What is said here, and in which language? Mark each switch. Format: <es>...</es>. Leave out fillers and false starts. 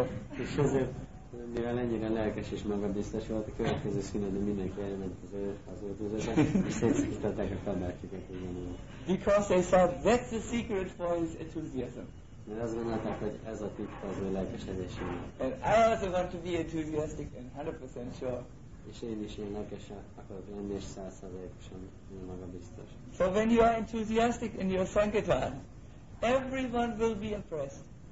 <hu>És ezért, mivel ennyire lelkes és magabiztos volt, a következő szünetben mindenki elment az öltözőbe, és szétszakították a kabátjukat ugyanúgy.</hu> <en>Because they thought that's the secret for his enthusiasm.</en> <hu>Mert azt gondolták, hogy ez a titka az ő lelkesedésének.</hu> <en>And I also want to be enthusiastic and 100% sure.</en> <hu>És én is ilyen lelkes akarok lenni, és 100%-osan magabiztos.</hu> <en>So when you are enthusiastic in your sankirtan, everyone will be impressed.</en>